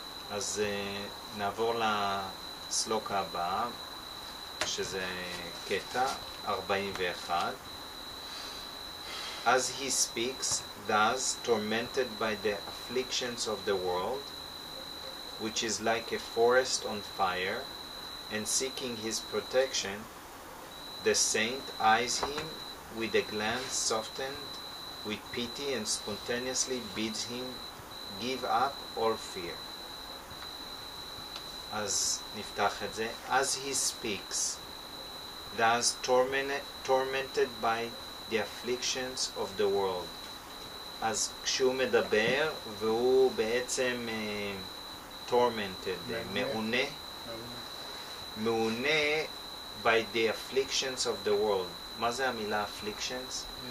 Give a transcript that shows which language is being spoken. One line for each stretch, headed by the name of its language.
Hebrew: אז נעבור לסלוק הבא, שזה קטע 41.
English: As he speaks, thus tormented by the afflictions of the world, which is like a forest on fire, and seeking his protection, the saint eyes him with a glance softened with pity and spontaneously bids him give up all fear.
Hebrew: אז נפתח את זה.
English: As he speaks, thus tormented by the afflictions of the world.
Hebrew: אז כשהוא מדבר, והוא בעצם tormented, מעונה, מעונה
English: by the afflictions of the world.
Hebrew: מה זה המילה afflictions?